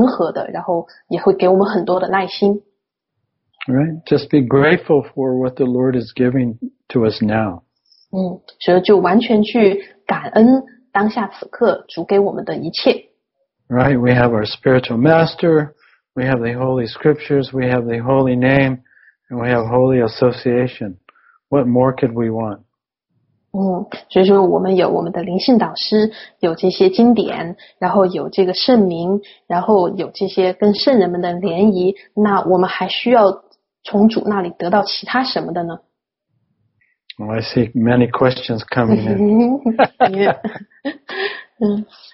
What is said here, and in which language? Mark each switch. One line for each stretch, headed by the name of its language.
Chinese: 所以说，因为实际上就是靠我们这个自信上，或者是精神上下功夫，想要去见到神的话，像这个过程是非常令人感到疲倦的，然后是并且也是挺可怕的。但是当我们能够真正的愿意去信任主，然后愿意就是等着主，然后来向我们展示我们的话，那实际上这是非常令人觉得平和的，然后也会给我们很多的耐心。
English: Right, just be grateful for what the Lord is giving to us now.
Chinese: 所以就完全去感恩当下此刻主给我们的一切。
English: Right, we have our spiritual master, we have the holy scriptures, we have the holy name, and we have holy association. What more could we want?
Chinese: 所以说我们有我们的灵性导师，有这些经典，然后有这个圣名，然后有这些跟圣人们的联谊，那我们还需要 从主那里得到其他什么的呢?
English: Well, I see many questions coming in.